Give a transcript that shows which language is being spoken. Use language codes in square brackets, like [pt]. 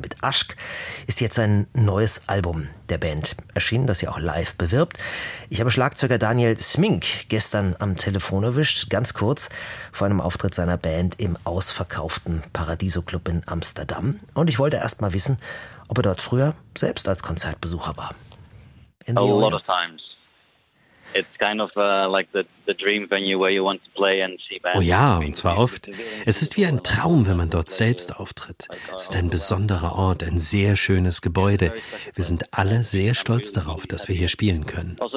[de] Mit Aşk ist jetzt ein neues Album der Band erschienen, das sie auch live bewirbt. Ich habe Schlagzeuger Daniel Smink gestern am Telefon erwischt, ganz kurz vor einem Auftritt seiner Band im ausverkauften Paradiso Club in Amsterdam. Und ich wollte erst mal wissen, ob er dort früher selbst als Konzertbesucher war. [en] A lot of times. It's kind of like the dream venue where you want to play and see bands. [de] Oh ja, und zwar oft. Es ist wie ein Traum, wenn man dort selbst auftritt. Es ist ein besonderer Ort, ein sehr schönes Gebäude. Wir sind alle sehr stolz darauf, dass wir hier spielen können.